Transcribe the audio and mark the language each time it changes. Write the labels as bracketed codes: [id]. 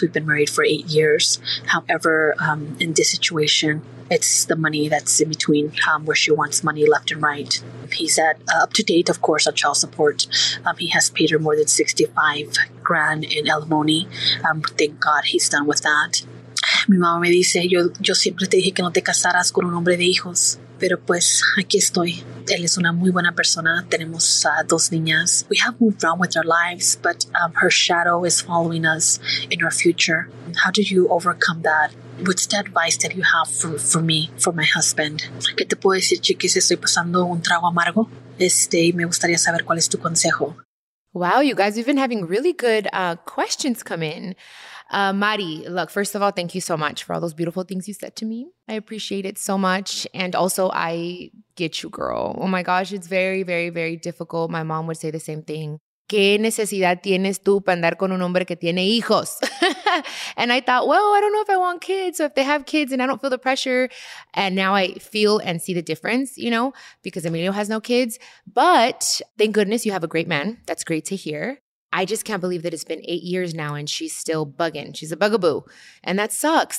[en] We've been married for 8 years. However, in this situation, it's the money that's in between, where she wants money left and right. He's at up to date, of course, on child support. He has paid her more than 65 grand in alimony. Thank God he's done with that. [es] Mi mamá me dice, yo siempre te dije que no te casaras con un hombre de hijos. Pero pues, aquí estoy. Él es una muy buena persona. Tenemos dos niñas. [en] We have moved on with our lives, but her shadow is following us in our future. How did you overcome that? What's the advice that you have for me, for my husband? [es] ¿Qué te puedo decir, chiquis? Estoy pasando un trago amargo. Me gustaría saber cuál es tu consejo. [en] Wow, you guys, we've been having really good questions come in. Mari, look, first of all, thank you so much for all those beautiful things you said to me. I appreciate it so much. And also, I get you, girl. Oh my gosh, it's very, very, very difficult. My mom would say the same thing. [es] ¿Qué necesidad tienes tú para andar con un hombre que tiene hijos? [en] And I thought, well, I don't know if I want kids. So if they have kids and I don't feel the pressure, and now I feel and see the difference, you know, because Emilio has no kids. But thank goodness you have a great man. That's great to hear. I just can't believe that it's been 8 years now and she's still bugging. She's a bugaboo. And that sucks.